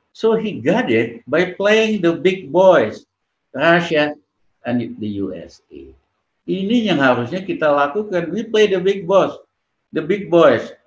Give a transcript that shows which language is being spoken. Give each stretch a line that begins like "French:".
English: So he got it by playing the big boys, Russia and the USA.
Indonesian: Ini yang harusnya kita lakukan.
English: We play the big boss, the big boys.